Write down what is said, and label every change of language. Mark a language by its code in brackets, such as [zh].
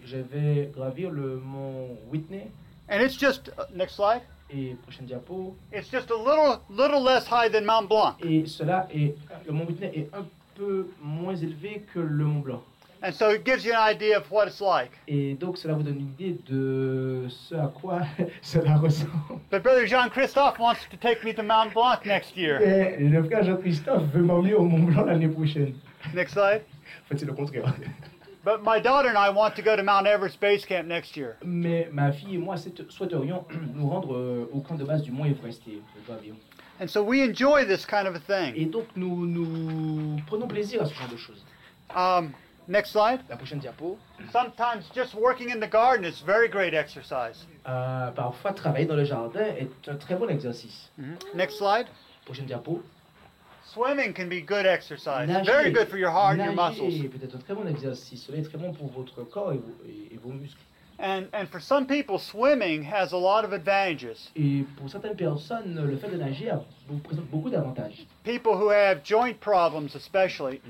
[fr] Je vais gravir le Mont Whitney. [en] And it's just next slide. [fr] Et prochaine diapo. [en] It's just a little less high than Mount Blanc. [fr] Et cela est le Mont Whitney est un peu moins élevé que le Mont Blanc. [en] And so it gives you an idea of what it's like. [fr] Et donc cela vous donne une idée de ce à quoi cela ressemble. [en] But brother Jean-Christophe wants to take me to Mount Blanc next year. [fr] Et le frère Jean-Christophe veut m'emmener au Mont Blanc l'année prochaine. [en] Next slide. [fr] En fait, c'est le contraire. [en] But my daughter and I want to go to Mount Everest Base Camp next year. [fr] Mais ma fille et moi souhaiterions nous rendre au camp de base du Mont Everest et le pavillon. [en] And so we enjoy this kind of a thing. [fr] Et donc nous prenons plaisir à ce genre de choses. [en] Next slide. [fr] La prochaine diapo. [en] Sometimes just working in the garden is very great exercise. [fr] Parfois travailler dans le jardin est un très bon exercice. [en] Mm-hmm. Next slide. [fr] Prochaine diapo. [en] Swimming can be good exercise. Nager, very good for your heart and your muscles. [fr] Nager peut être un très bon exercice. Cela est très bon pour votre corps et vos muscles. [en] And for some people, swimming has a lot of advantages. [fr] Et pour certaines personnes, le fait de nager vous présente beaucoup d'avantages. [en] People who have joint problems, especially.